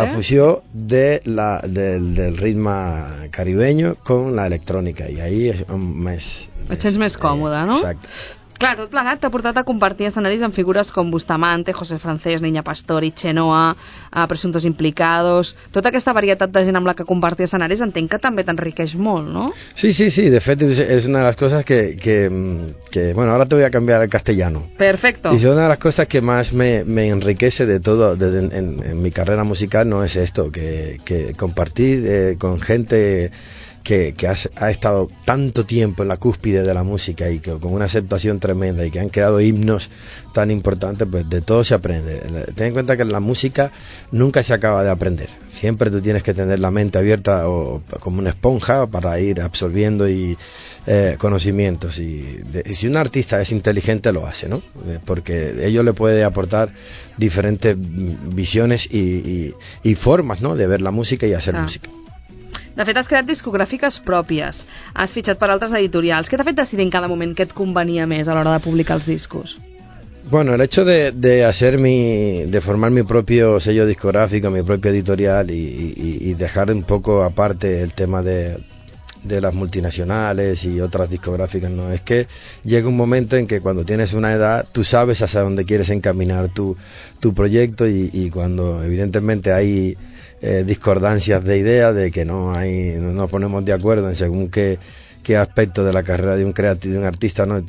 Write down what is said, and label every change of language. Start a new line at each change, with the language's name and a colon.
Catalan: la fusió de del ritme caribeño con la electrònica, i ahí és més et sents més còmode, no? Exacte. Clar, tot plegat t'ha portat a compartir escenaris amb figures com Bustamante, José Francés, Niña Pastori, Chenoa, Presuntos Implicados... Tota aquesta varietat de gent amb la que compartir escenaris entenc que també t'enriqueix molt, no? Sí, de fet és una de les coses que...
Spanish: Bueno,
Catalan: ara
Spanish: te voy a cambiar al castellano. Perfecto. Y una de las cosas que más me enriquece de todo en mi carrera musical no es esto, que compartir con gente... que ha estado tanto tiempo en la cúspide de la música y que con una aceptación tremenda y que han creado himnos tan importantes, pues de todo se aprende. Ten en cuenta que la música nunca se acaba de aprender. Siempre tú tienes que tener la mente abierta o como una esponja para ir absorbiendo conocimientos. Y si un artista es inteligente, lo hace, ¿no? Porque ello le puede aportar diferentes visiones y formas, ¿no?, de ver la música y hacer música.
Catalan: De fet, has creat discogràfiques pròpies, has fitxat per altres editorials. Què t'ha fet decidir en cada moment què et convenia més a l'hora de publicar els discos?
Spanish: Bueno, el hecho de formar mi propio sello discográfico, mi propio editorial y dejar un poco aparte el tema de las multinacionales y otras discográficas, no, es que llega un momento en que cuando tienes una edad tú sabes hacia dónde quieres encaminar tu proyecto y cuando evidentemente hay discordancias de ideas, de que no nos ponemos de acuerdo en según qué aspecto de la carrera de un artista, ¿no?